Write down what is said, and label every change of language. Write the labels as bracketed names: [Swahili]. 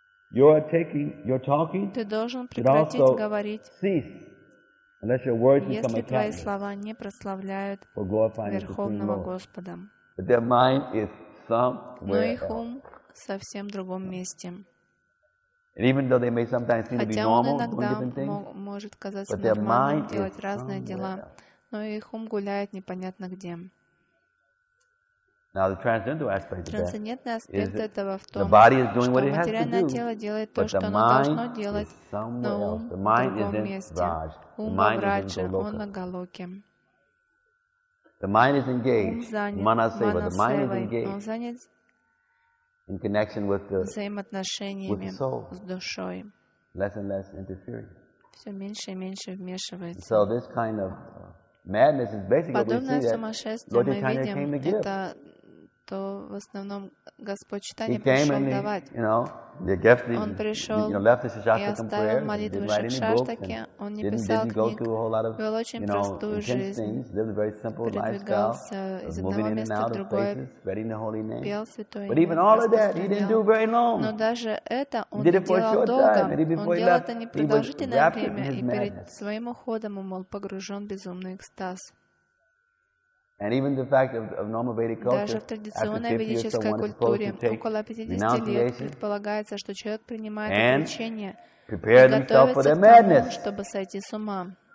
[Russian] Ты должен прекратить говорить, если твои слова не прославляют Верховного Господа, но их ум в совсем другом месте. [English] And even though they may sometimes seem to be normal, different things, [Russian] может казаться нормальным делать разные дела, но их ум гуляет непонятно где. [English] Now the transcendental aspect of that is that the body is doing what it has to do, but the mind is somewhere else. The mind is in Raj. The mind is in Goloka. The mind is engaged. Manaseva. The mind is engaged. In connection with the [Russian] взаимоотношениями [English] with the soul, [Russian] с душой. [English] Less and less interfering. [Russian] Все меньше и меньше вмешивается. [English] So this kind of madness is basically [Russian] подобное [English] what [Russian] сумасшествие мы видим, [English] came to give. [Russian] Это то в основном Господь Читания пришел давать. [English] You know, the gift, [Russian] он пришел [English] you know, left the [Russian] и оставил молитву Шикшаштаке. Он не писал книг, вел очень простую жизнь, передвигался из одного места в другое, пел святое имя. Но даже это он не делал долго. Он делал это непродолжительное время, и перед своим уходом он был погружен в безумный экстаз. [English] And even the fact of normal Vedic culture, [Russian] даже в традиционной ведической культуре около 50 лет предполагается, что человек принимает облегчение и готовится к тому, чтобы сойти с ума.